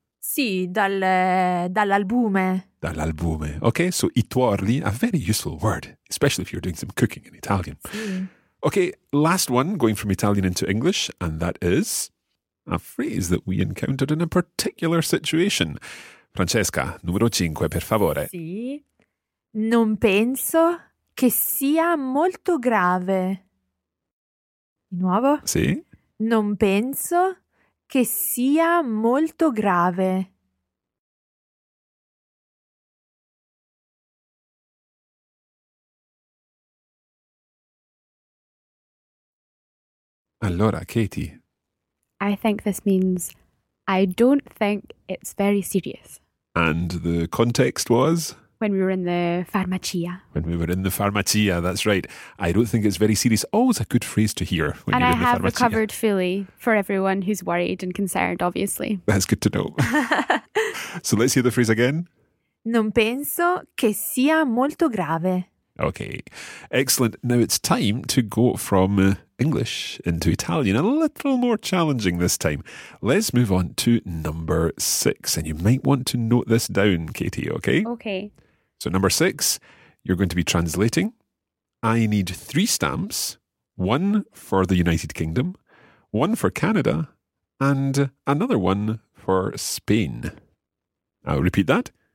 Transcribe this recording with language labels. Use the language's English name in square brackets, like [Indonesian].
[Italian] Sì, dall'albume. Dall'albume. [English] Okay, so [Italian] i tuorli, [English] a very useful word, especially if you're doing some cooking in Italian. [Italian] Sì. [English] Okay, last one, going from Italian into English, and that is a phrase that we encountered in a particular situation. [Italian] Francesca, numero 5, per favore. Sì. Non penso che sia molto grave. Di nuovo? Sì. Non penso che sia molto grave. Allora, Katie. [English] I think this means, I don't think it's very serious. And the context was? When we were in the farmacia. When we were in the farmacia, that's right. I don't think it's very serious. Always a good phrase to hear when and you're in I the have farmacia. Recovered fully for everyone who's worried and concerned, obviously. That's good to know. So let's hear the phrase again. [Italian] Non penso che sia molto grave. [English] Okay, excellent. Now it's time to go from English into Italian, a little more challenging this time. Let's move on to number six. And you might want to note this down, Katie, okay? Okay. So number six, you're going to be translating. I need three stamps, one for the United Kingdom, one for Canada, and another one for Spain. I'll repeat that.